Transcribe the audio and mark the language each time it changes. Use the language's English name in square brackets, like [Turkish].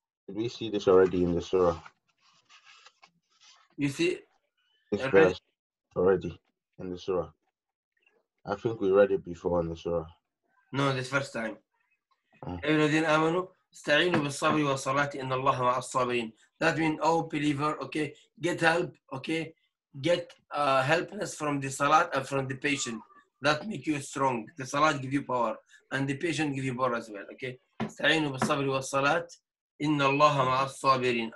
[English] Did we see this already in the surah? You see this verse already in the surah. I think we read it before in the surah. No, this first time. Everything amanu. [Arabic] استعينوا بالصبر والصلاة إن الله مع الصابرين. [English] That means, oh believer, okay, get help, okay, get helpness from the salat and from the patient. That make you strong. The salat give you power, and the patient give you power as well. Okay. [Arabic] استعينوا بالصبر والصلاة إن الله مع الصابرين.